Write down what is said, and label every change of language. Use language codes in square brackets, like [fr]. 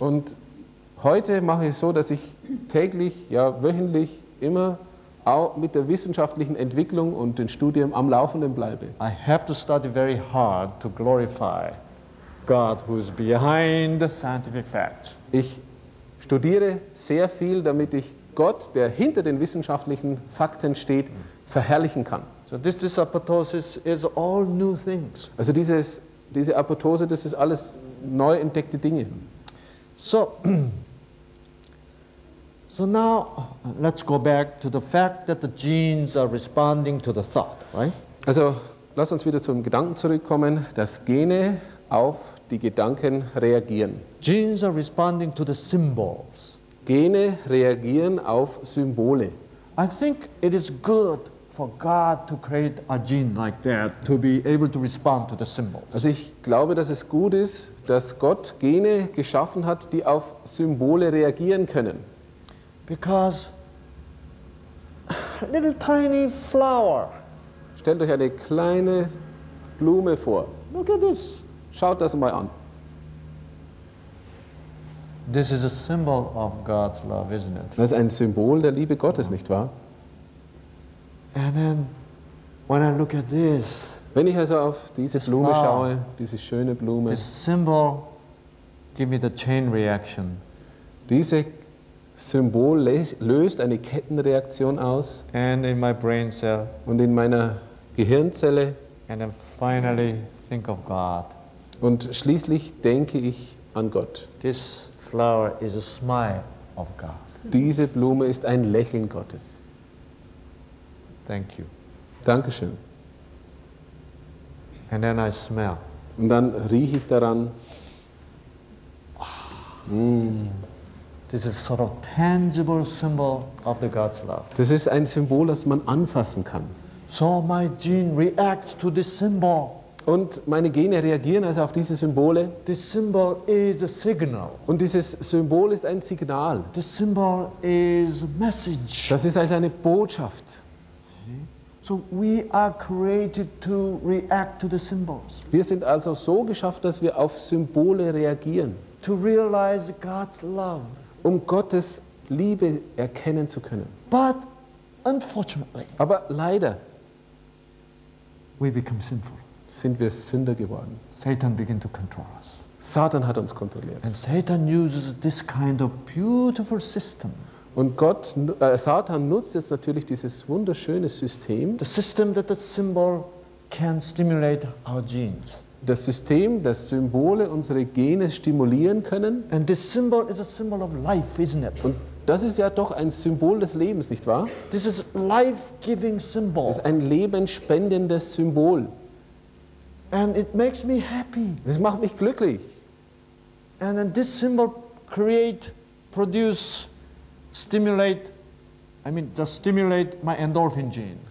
[de] Und heute mache ich so, dass ich täglich, ja wöchentlich, immer auch mit der wissenschaftlichen Entwicklung und dem Studium am Laufenden bleibe. [en] I have to study very hard to glorify God who is behind scientific facts. [de] Ich studiere sehr viel, damit ich Gott, der hinter den wissenschaftlichen Fakten steht, verherrlichen kann. [en] So this apoptosis is all new things. [de] Also diese Apoptose, das ist alles neu entdeckte Dinge. [en] So now let's go back to the fact that the genes are responding to the thought, right? [de] Also, lass uns wieder zum Gedanken zurückkommen, dass Gene auf die Gedanken reagieren. [en] Genes are responding to the symbols. [de] Gene reagieren auf Symbole. [en] I think it is good for God to create a gene like that to be able to respond to the symbols. [de] Also ich glaube, dass es gut ist, dass Gott Gene geschaffen hat, die auf Symbole reagieren können. [en] Because a little tiny flower. [de] Stellt euch eine kleine Blume vor. [en] Look at this. [de] Schaut das mal an. [en] This is a symbol of God's love, isn't it? [de] Das ist ein Symbol der Liebe Gottes, nicht wahr? [en] And then, when I look at this, [de] wenn ich also auf diese Blume schaue, diese schöne Blume, [en] this symbol give me the chain reaction. [de] Diese Symbol löst eine Kettenreaktion aus. [en] And in my brain cell. [de] Und in meiner Gehirnzelle. [en] And then finally think of God. [de] Und schließlich denke ich an Gott. [en] This flower is a smile of God. [de] Diese Blume ist ein Lächeln Gottes. [en] Thank you. [de] Dankeschön. [en] And then I smell. [de] Und dann rieche ich daran. [en] This is sort of tangible symbol of the God's love. [de] Das ist ein Symbol, das man anfassen kann. [en] So my gene reacts to this symbol. [de] Und meine Gene reagieren also auf diese Symbole. [en] This symbol is a signal. [de] Und dieses Symbol ist ein Signal. [en] This symbol is a message. [de] Das ist also eine Botschaft. [en] So we are created to react to the symbols. [de] Wir sind also so geschaffen, dass wir auf Symbole reagieren. [en] To realize God's love. [de] Um Gottes Liebe erkennen zu können. [en] But unfortunately. [de] Aber leider. [en] We become sinful. [de] Sind wir Sünder geworden. [en] Satan begins to control us. [de] Satan hat uns kontrolliert. [en] And Satan uses this kind of beautiful system. [de] Und Gott, Satan nutzt jetzt natürlich dieses wunderschöne System. [en] The system that the symbol can stimulate our genes. [de] Das System, das Symbole unsere Gene stimulieren können. [en] And this symbol is a symbol of life, isn't it? [de] Und das ist ja doch ein Symbol des Lebens, nicht wahr? [en] This is life-giving symbol. [de] Das ist ein lebensspendendes Symbol. [en] And it makes me happy. [de] Es macht mich glücklich. [en] And then this symbol create, produce, stimulate, I mean, just stimulate my endorphin gene.